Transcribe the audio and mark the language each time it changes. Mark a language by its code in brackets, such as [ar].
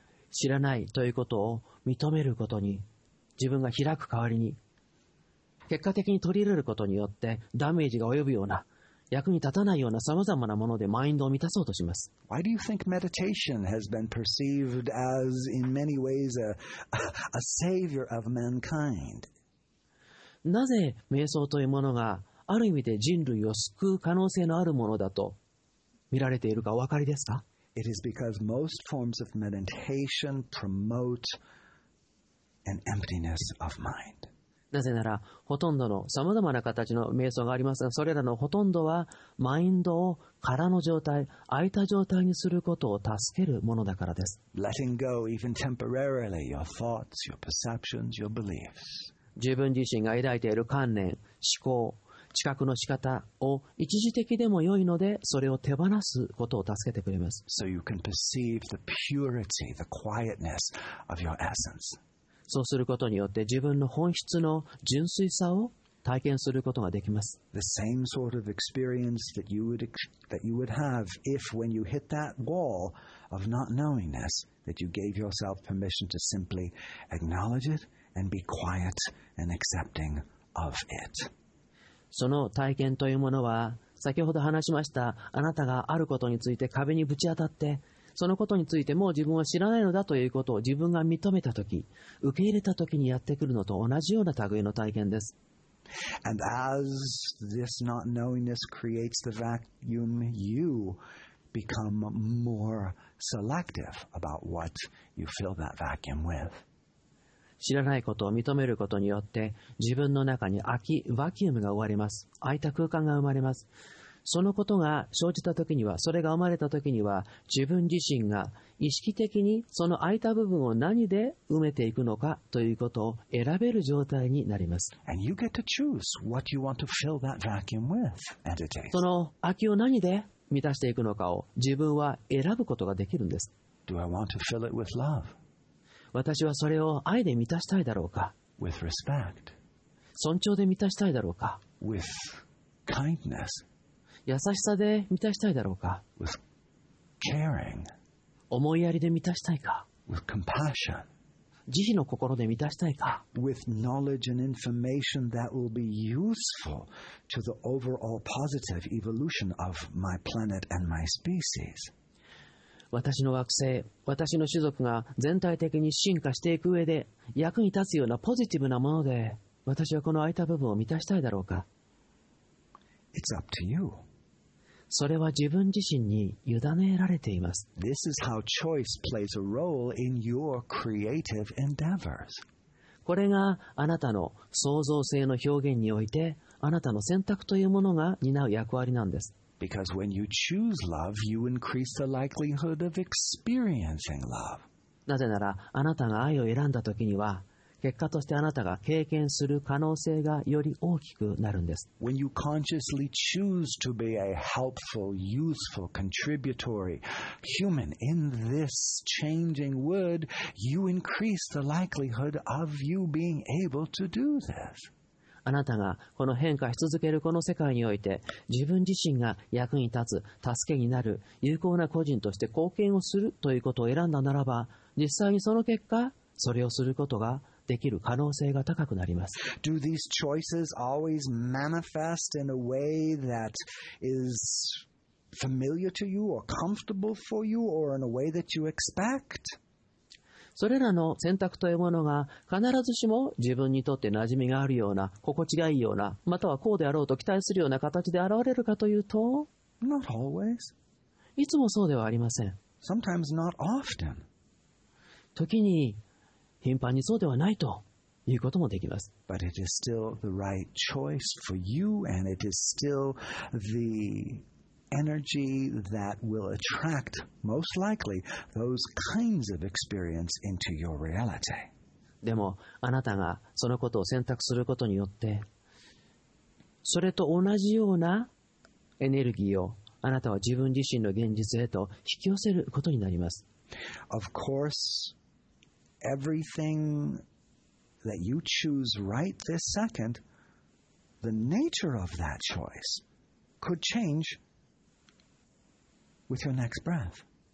[ja] 知らないということを認めることに、自分が開く代わりに、結果的に取り入れることによってダメージが及ぶような、役に立たないようなさまざまなものでマインドを満たそうとします。 [en] Why do you think meditation has been perceived as, in many ways, a savior of mankind? [ja] なぜ瞑想というものがある意味で人類を救う可能性のあるものだと見られているかお分かりですか？ [en] It is because most forms of meditation promote an emptiness of mind. [ja] なぜならほとんどのさまざまな形の瞑想がありますが、それらのほとんどはマインドを空の状態、空いた状態にすることを助けるものだからです。 [en] Letting go even temporarily your thoughts, your perceptions, your beliefs. [ja] 自分自身が抱いている観念、思考、知覚の仕方を一時的でも良いので、それを手放すことを助けてくれます。 [en] So you can perceive the purity, the quietness of your essence. [ja] そうすることによって自分の本質の純粋さを体験することができます。 [en] The same sort of experience that you would have if when you hit that wall of not knowingness that you gave yourself permission to simply acknowledge it and be quiet and accepting of it. [ja] その体験というものは、先ほど話しましたあなたがあることについて壁にぶち当たって、そのことについても自分は知らないのだということを自分が認めたとき、受け入れたときにやってくるのと同じような類の体験です。 [en] And as this not knowingness creates the vacuum, you become more selective about what you fill that vacuum with. [ja] 知らないことを認めることによって、自分の中に空き、バキュームが終わります。空いた空間が生まれます。そのことが生じたときには、それが生まれたときには、自分自身が意識的にその空いた部分を何で埋めていくのかということを選べる状態になります。 [en] And you get to choose what you want to fill that vacuum with, meditate. [ja] その空きを何で満たしていくのかを自分は選ぶことができるんです。 [en] Do I want to fill it with love? [ja] 私はそれを愛で満たしたいだろうか。 [en] With respect. [ja] 尊重で満たしたいだろうか。 [en] With kindness. [ja] 優しさで満たしたいだろうか。 [en] With caring. [ja] 思いやりで満たしたいか。 [en] With compassion. [ja] 慈悲の心で満たしたいか。 [en] With knowledge and information that will be useful to the overall positive evolution of my planet and my species. [ja] 私の惑星、私の種族が全体的に進化していく上で役に立つようなポジティブなもので、私はこの空いた部分を満たしたいだろうか。 [en] It's up to you. [ja] それは自分自身に委ねられています。 [en] This is how choice plays a role in your creative endeavors. [ja] これがあなたの創造性の表現において、あなたの選択というものが担う役割なんです。 [en] Because when you choose love, you increase the likelihood of experiencing love. [ja] なぜなら、あなたが愛を選んだときには、結果としてあなたが経験する可能性がより大きくなるんです。 [en] When you consciously choose to be a helpful, useful, contributory human in this changing world, you increase the likelihood of you being able to do this. [ja] あなたがこの変化し続けるこの世界において、自分自身が役に立つ、助けになる、有効な個人として貢献をするということを選んだならば、実際にその結果、それをすることができる可能性が高くなります。 [en] Do these choices always manifest in a way that is familiar to you or comfortable for you or in a way that you expect? [ja] それらの選択というものが必ずしも自分にとって馴染みがあるような、心地がいいような、またはこうであろうと期待するような形で現れるかというと、 [en] Not always. [ja] いつもそうではありません。 [en] Sometimes not often. [ja] 時に頻繁にそうではないということもできます。 [en] But it is still the right choice for you, and it is still the energy that will attract, most likely, those kinds of experience into your reality. [ja] でも、あなたがそのことを選択することによって、それと同じようなエネルギーをあなたは自分自身の現実へと引き寄せることになります。 [en] Of course,Everything that you choose right this second the nature of that choice could change with your next breath.